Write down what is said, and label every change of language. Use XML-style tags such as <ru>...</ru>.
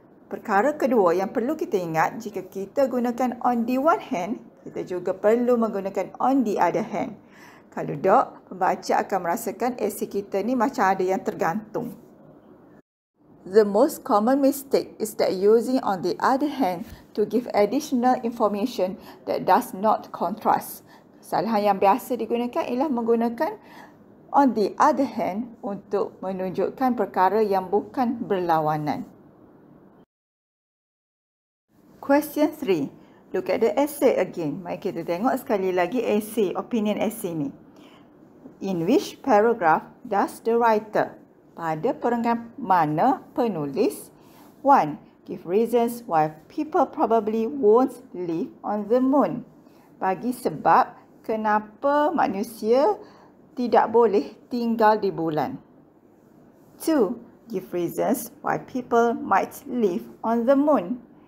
<ms>Perkara kedua yang perlu kita ingat, jika kita gunakan on the one hand, kita juga perlu menggunakan on the other hand. Kalau tak, pembaca akan merasakan esei kita ni macam ada yang tergantung.</ms> <en>The most common mistake is that using on the other hand to give additional information that does not contrast.</en> <ms>Kesalahan yang biasa digunakan ialah menggunakan on the other hand untuk menunjukkan perkara yang bukan berlawanan.</ms> <en>Question 3. Look at the essay again.</en> <ms>Mari kita tengok sekali lagi essay, opinion essay ni.</ms> <en>In which paragraph does the writer?</en> <ms>Pada perenggan mana penulis? 1.</ms> <en>Give reasons why people probably won't live on the moon.</en> <ms>Bagi sebab kenapa manusia tidak boleh tinggal di bulan. 2.</ms> <en>Give reasons why people might live on the moon.</en>